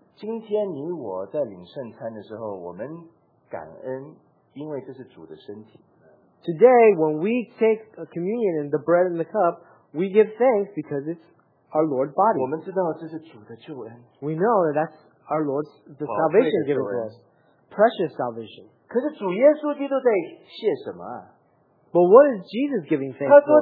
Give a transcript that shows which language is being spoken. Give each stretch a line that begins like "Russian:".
Chinese: 今天你我在领圣餐的时候，我们感恩，因为这是主的身体。
English: Today, when we take a communion in the bread and the cup, we give thanks because it's our Lord's body.
Chinese: 我们知道这是主的救恩。
English: We know that that's our Lord's the salvation given to us, precious salvation.
Chinese: 可是主耶稣基督在谢什么?
English: But what is Jesus giving thanks for?